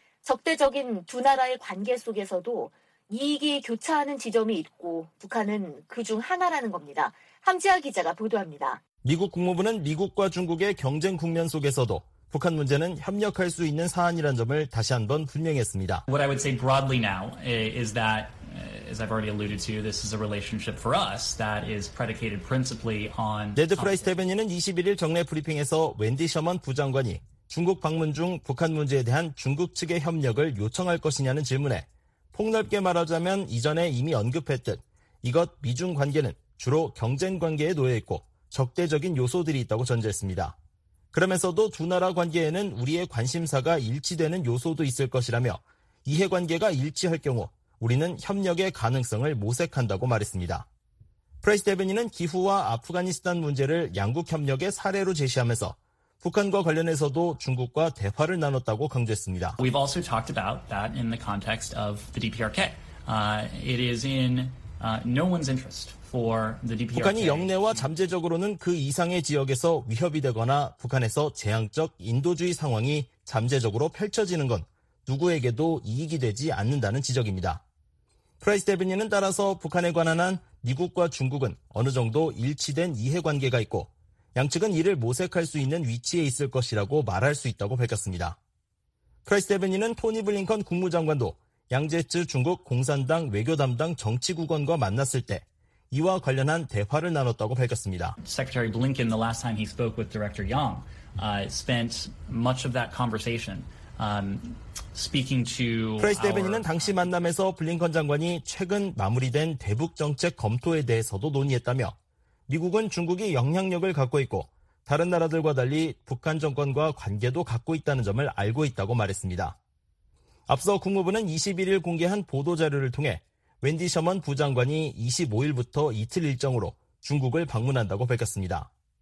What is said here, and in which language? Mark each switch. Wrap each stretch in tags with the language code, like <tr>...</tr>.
<ko>적대적인 두 나라의 관계 속에서도 이익이 교차하는 지점이 있고 북한은 그중 하나라는 겁니다. 함지아 기자가 보도합니다. 미국 국무부는 미국과 중국의 경쟁 국면 속에서도 북한 문제는 협력할 수 있는 사안이란 점을 다시 한번 분명했습니다.</ko> <en>What I would say broadly now is that, as I've already alluded to, this is a relationship for us that is predicated principally on.</en> <ko>레드 프라이스 대변인은 21일 정례 브리핑에서 웬디 셔먼 부장관이 중국 방문 중 북한 문제에 대한 중국 측의 협력을 요청할 것이냐는 질문에 폭넓게 말하자면 이전에 이미 언급했듯 이것 미중 관계는 주로 경쟁 관계에 놓여 있고 적대적인 요소들이 있다고 전제했습니다. 그러면서도 두 나라 관계에는 우리의 관심사가 일치되는 요소도 있을 것이라며 이해관계가 일치할 경우 우리는 협력의 가능성을 모색한다고 말했습니다. 프레스 대변인은 기후와 아프가니스탄 문제를 양국 협력의 사례로 제시하면서 북한과 관련해서도 중국과 대화를 나눴다고 강조했습니다.</ko> <en>We've also talked about that in the context of the DPRK. It is in no one's interest for the DPRK.</en> <ko>북한이 영내와 잠재적으로는 그 이상의 지역에서 위협이 되거나 북한에서 재앙적 인도주의 상황이 잠재적으로 펼쳐지는 건 누구에게도 이익이 되지 않는다는 지적입니다. 프라이스 대변인은 따라서 북한에 관한 한 미국과 중국은 어느 정도 일치된 이해관계가 있고 양측은 이를 모색할 수 있는 위치에 있을 것이라고 말할 수 있다고 밝혔습니다. 크라이스 대변인은 토니 블링컨 국무장관도 양제츠 중국 공산당 외교담당 정치국원과 만났을 때 이와 관련한 대화를 나눴다고 밝혔습니다.</ko> <en>Secretary Blinken, the last time he spoke with Director Yang, spent much of that conversation speaking to.</en> <ko>프레이스 대변인은 당시 만남에서 블링컨 장관이 최근 마무리된 대북 정책 검토에 대해서도 논의했다며 미국은 중국이 영향력을 갖고 있고 다른 나라들과 달리 북한 정권과 관계도 갖고 있다는 점을 알고 있다고 말했습니다. 앞서 국무부는 21일 공개한 보도자료를 통해 웬디 셔먼 부장관이 25일부터 이틀 일정으로 중국을 방문한다고 밝혔습니다.</ko>